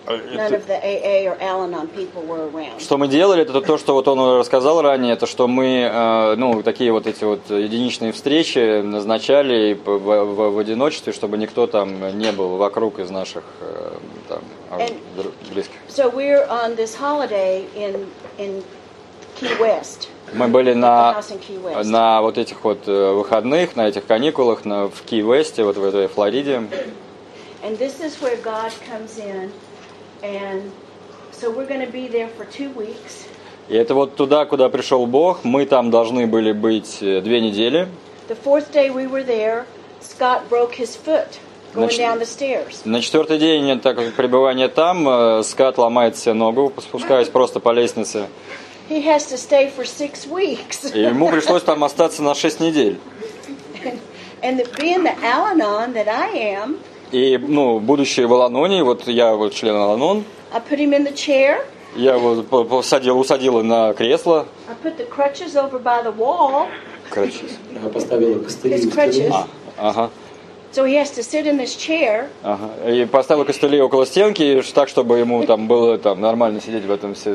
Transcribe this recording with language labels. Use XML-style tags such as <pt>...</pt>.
<en>None of the AA or Al-Anon people were around.</en> <ru>Что мы делали, это то, что вот он рассказал ранее, это что мы, ну, такие вот эти вот единичные встречи назначали в одиночестве, чтобы никто там не был вокруг из наших там близких.</ru> <en>So we're on this holiday in Key West.</en> <ru>Мы были на вот этих вот выходных, на этих каникулах в Кей-Весте, вот в этой Флориде.</ru> <en>And this is where God comes in. And so we're going to be there for 2 weeks.</en> <ru>И это вот туда, куда пришел Бог. Мы там должны были быть 2 недели.</ru> <en>The fourth day we were there, Scott broke his foot going down the stairs.</en> <ru>На четвертый день пребывания там Скотт ломает себе ногу, спускаясь просто по лестнице.</ru> <en>He has to stay for 6 weeks.</en> <ru>Ему пришлось там остаться на 6 недель.</ru> <en>And being the Al-Anon that I am.</en> <ru>И, ну, будучи в Al-Anon-е, вот я вот член Al-Anon.</ru> <en>I put him in the chair.</en> <ru>Я его усадила на кресло.</ru> <en>I put the crutches over by the wall. Crutches.</en> <ru>Я поставила костыли.</ru> <en>His crutches.</en> <ru>Ага.</ru> <en>So he has to sit in this chair.</en> <ru>И поставил костыли около стенки, так чтобы ему там было там нормально сидеть в этом все.</ru>